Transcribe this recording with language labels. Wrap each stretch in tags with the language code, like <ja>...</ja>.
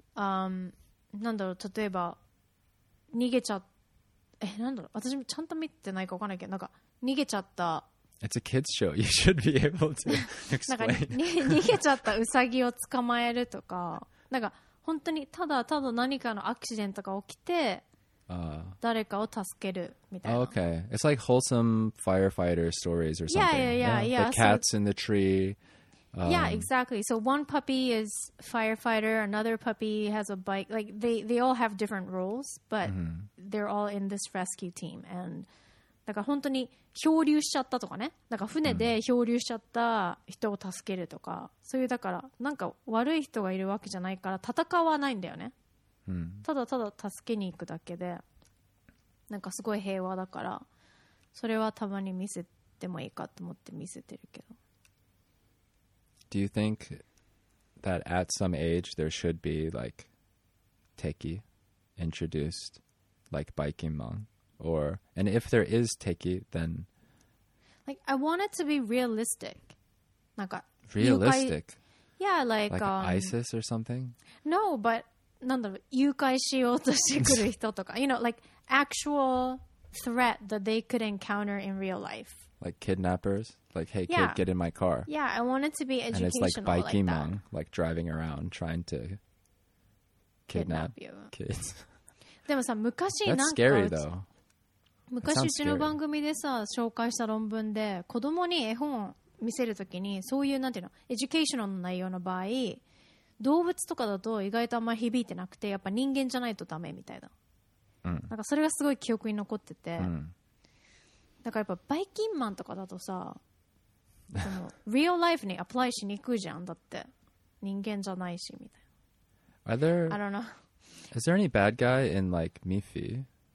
<ja>なんだろう、例えば逃げちゃっ、え、なんだろう、私もちゃんと見てないかわかんないけど、なんか逃げちゃった。</ja> <en>It's a kids show. You should be able to explain.</en> <ja>逃げちゃったウサギを捕まえるとか、なんか本当にただただ何かのアクシデントが起きて、誰かを助けるみたいな。</ja> <en>Oh, okay, it's like wholesome firefighter stories or something. Yeah. The cats in the tree. Yeah, exactly. So one puppy is firefighter. Another puppy has a bike. Like they all have different roles, but they're all in this rescue team and.</en> <ja>だから本当に漂流しちゃったとかね、なんか船で漂流しちゃった人を助けるとか、そういう、だからなんか悪い人がいるわけじゃないから戦わないんだよね、ただただ助けに行くだけで、なんかすごい平和だから、それはたまに見せてもいいかと思って見せてるけど。</ja> <en>Do you think that at some age there should be like Teki introduced like Baikin-man? Or, and if there is Teki, then... Like, I want it to be realistic. Realistic? Yeah, like... Like ISIS or something? No, but...</en> <ja>何だろう、誘拐しようとしてくる人とか。</ja> <en>You know, like, actual threat that they could encounter in real life. Like kidnappers? Like, hey, kid, get in my car. Yeah, I want it to be educational. And it's like Baikin-man, like driving around trying to kidnap you. Kids.</en> <ja>でもさ、昔なんか...</ja> <en>That's scary, though.</en> <ja>昔うちの番組でさ紹介した論文で、子供に絵本を見せるときに、そういうなんていうの、エデュケーションの内容の場合、動物とかだと意外とあんまり響いてなくて、やっぱ人間じゃないとダメみたいな、なんかそれがすごい記憶に残ってて、だからやっぱバイキンマンとかだとさ、そのリアルライフにアプライしにくいじゃん、だって人間じゃないしみたいな。</ja> <en>Are there, I don't know. Is there any bad guy in like Miffy?</en>